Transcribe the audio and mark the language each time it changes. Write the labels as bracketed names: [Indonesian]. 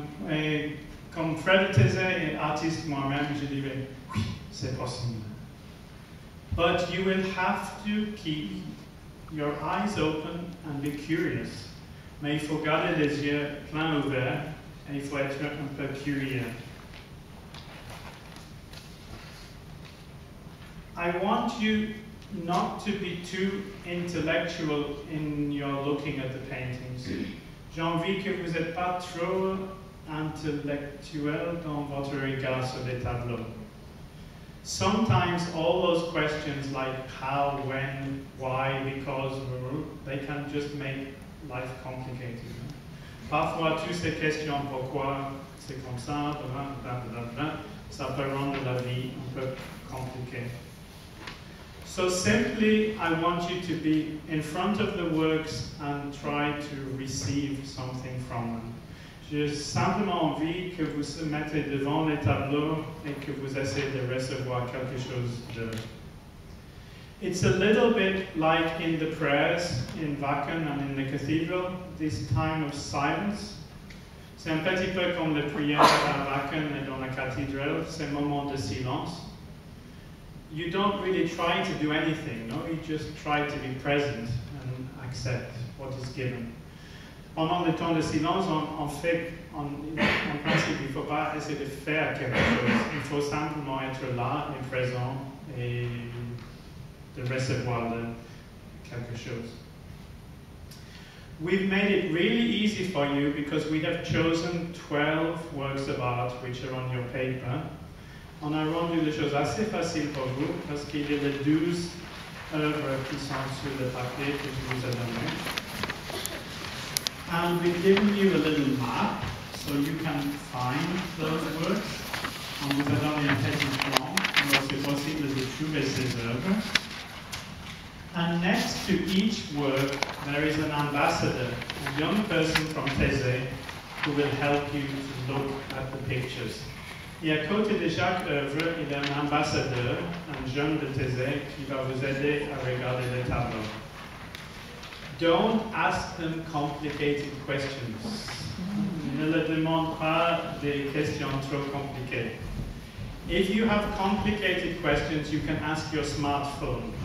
[French] Et comme frère Taizé et artiste moi-même, je dirais, oui, c'est possible. [English] But you will have to keep your eyes open and be curious. [French] Mais il faut garder les yeux plein ouverts et il faut être un peu curieux. [English] I want you not to be too intellectual in your looking at the paintings. [French] J'ai envie que vous n'êtes pas trop intellectuel dans votre regard sur les tableaux. [English] Sometimes all those questions like how, when, why, because, they can just make life complicated. [French] Parfois, toutes ces questions, pourquoi, c'est comme ça, blablabla, ça peut rendre la vie un peu compliquée. [English] So simply, I want you to be in front of the works and try to receive something from them. [French] J'ai simplement envie que vous se mettez devant les tableaux et que vous essayez de recevoir quelque chose de. [English] It's a little bit like in the prayers in Vatican and in the cathedral, this time of silence. [French] C'est un petit peu comme les prières à Vatican et dans la cathédrale, ces moments de silence. [English] You don't really try to do anything, no? You just try to be present and accept what is given. [French] Pendant le temps de silence, en principe, il ne faut pas essayer de faire quelque chose. Il faut simplement être là et présent et de recevoir quelque chose. [English] We've made it really easy for you because we have chosen 12 works of art which are on your paper. [French] On a rendu les choses assez faciles pour vous parce qu'il y a les 12 œuvres qui sont sur le papier que je vous ai donné. [English] And we've given you a little map so you can find those works. [French] On vous a donné un petit plan où c'est possible de trouver ces œuvres. [English] And next to each work, there is an ambassador, a young person from Taizé, who will help you to look at the pictures. [French] Et à côté de chaque œuvre, il y a un ambassadeur, un jeune de Taizé, qui va vous aider à regarder les tableaux. [English] Don't ask them complicated questions. [French] Ne leur demande pas des questions trop compliquées. [English] If you have complicated questions, you can ask your smartphone.